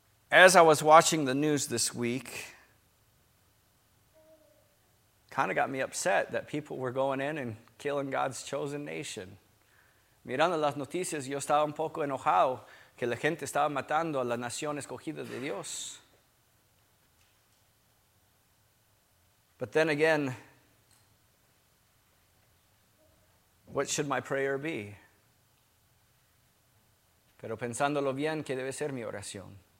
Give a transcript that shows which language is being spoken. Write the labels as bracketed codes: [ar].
[en] As I was watching the news this week, kind of got me upset that people were going in and killing God's chosen nation. [es] Mirando las noticias, yo estaba un poco enojado que la gente estaba matando a la nación escogida de Dios. [en] But then again, what should my prayer be? [es] Pero pensándolo bien, ¿qué debe ser mi oración?